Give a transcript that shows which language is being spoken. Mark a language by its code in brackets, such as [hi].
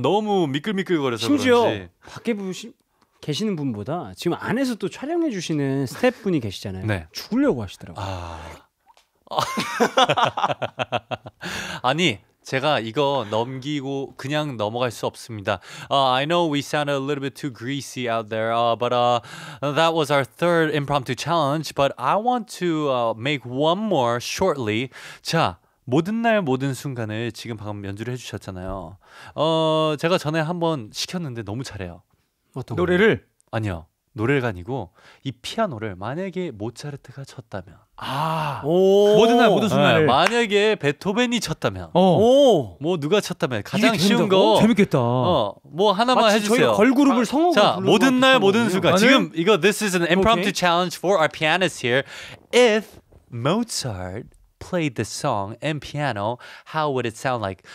[ko] 너무 미끌미끌거려서 심지어 그런지. 밖에 계시는 분보다 지금 안에서 또 촬영해 주시는 스태프분이 계시잖아요. 네. 죽으려고 하시더라고요. 아니 제가 이거 넘기고 그냥 넘어갈 수 없습니다. [en] I know we sound a little bit too greasy out there, but that was our third impromptu challenge. But I want to make one more shortly. [ko] 자, 모든 날 모든 순간을 지금 방금 연주를 해주셨잖아요. 제가 전에 한번 시켰는데 너무 잘해요. 어떤 노래를? 아니요, 노래가 아니고 이 피아노를 만약에 모차르트가 쳤다면. 아, 오, 모든 날 모든 순간 만약에 베토벤이 쳤다면, 뭐 누가 쳤다면 가장 쉬운 거 재밌겠다. 뭐 하나만 해주세요. 저희 걸그룹을 성우. 자, 모든 날 모든 순간 나는? 지금 이거 [en] this is an impromptu okay. challenge for our pianist here. If Mozart played the song and piano, how would it sound like?